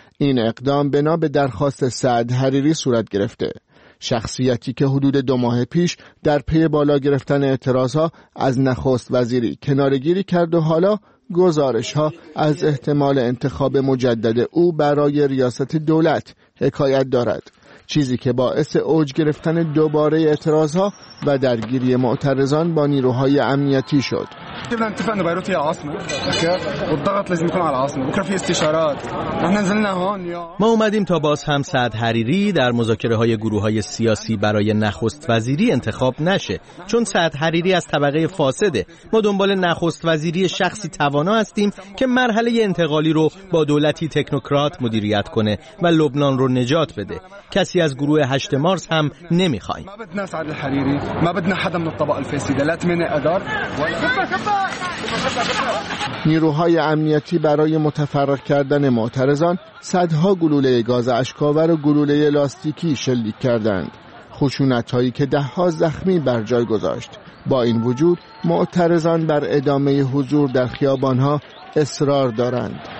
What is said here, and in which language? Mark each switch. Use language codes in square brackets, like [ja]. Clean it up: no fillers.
[fa] این اقدام بنا به درخواست سعد حریری صورت گرفته، شخصیتی که حدود دو ماه پیش در پی بالا گرفتن اعتراض‌ها از نخست وزیری کنارگیری کرد و حالا گزارش‌ها از احتمال انتخاب مجدد او برای ریاست دولت حکایت دارد، چیزی که باعث اوج گرفتن دوباره اعتراض‌ها و درگیری معترضان با نیروهای امنیتی شد. [ar] قبلا اتفقنا بيروت هي عاصمه اوكي والضغط لازم يكون على العاصمه بكره في استشارات احنا نزلنا هون [fa] ما اومدیم تا باز هم سعد حریری در مذاکره‌های گروه‌های سیاسی برای نخست وزیری انتخاب نشه، چون سعد حریری از طبقه فاسده. ما دنبال نخست وزیری شخصی توانا هستیم که مرحله انتقالی رو با دولتی تکنوکرات مدیریت کنه و لبنان رو نجات بده. کسی از گروه 8 مارس هم نمی‌خوایم. [ar] ما بدنا سعد الحريري، ما بدنا حدا من الطبقه الفاسده، لا تمنع ادار. [fa] نیروهای امنیتی برای متفرق کردن معترضان صدها گلوله گاز اشکاور و گلوله لاستیکی شلیک کردند، خشونت‌هایی که ده‌ها زخمی بر جای گذاشت. با این وجود معترضان بر ادامه حضور در خیابان‌ها اصرار دارند.